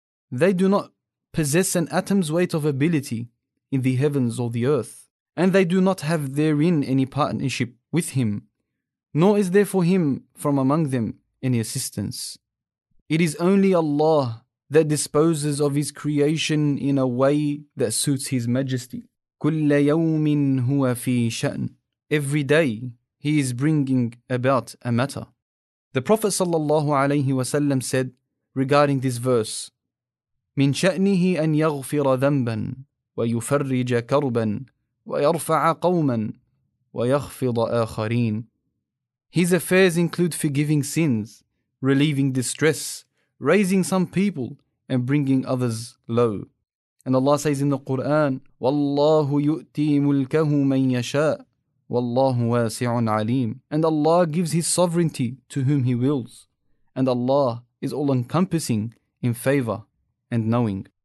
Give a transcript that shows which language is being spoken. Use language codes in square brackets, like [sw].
[en] They do not possess an atom's weight of ability in the heavens or the earth, and they do not have therein any partnership with him, nor is there for him from among them any assistance. It is only Allah that disposes of his creation in a way that suits his majesty. [ar] كل يوم هو في شأن. [en] Every day he is bringing about a matter. The Prophet sallallahu alayhi wa sallam said regarding this verse, [ar] من شأنه أن يغفر ذنبا ويفرج كربا ويرفع قوما ويخفض آخرين. [en] His affairs include forgiving sins, relieving distress, raising some people, and bringing others low. And Allah says in the Quran, [ar] وَاللَّهُ يُؤْتِي مُلْكَهُ مَنْ يَشَاءُ وَاللَّهُ وَاسِعٌ عَلِيمٌ. [en] And Allah gives His sovereignty to whom He wills. And Allah is all-encompassing in favor and knowing.